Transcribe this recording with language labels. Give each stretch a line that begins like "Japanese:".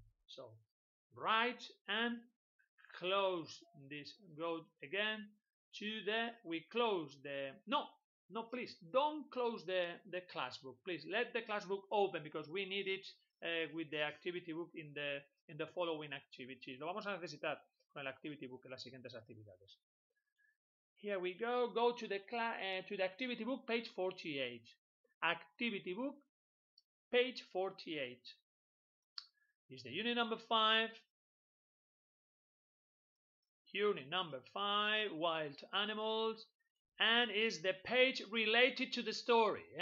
English: So write and close this, go again to the, we close the, no, please, don't close the class book. Please let the class book open because we need it with the activity book in the following activities.
Spanish: Lo vamos a necesitar con el activity book en las siguientes actividades.
English: Here we go. Go to the to the activity book, page 48. Activity book, page 48. Is the unit number 5. Unit number 5, wild animals. And is the page related to the story.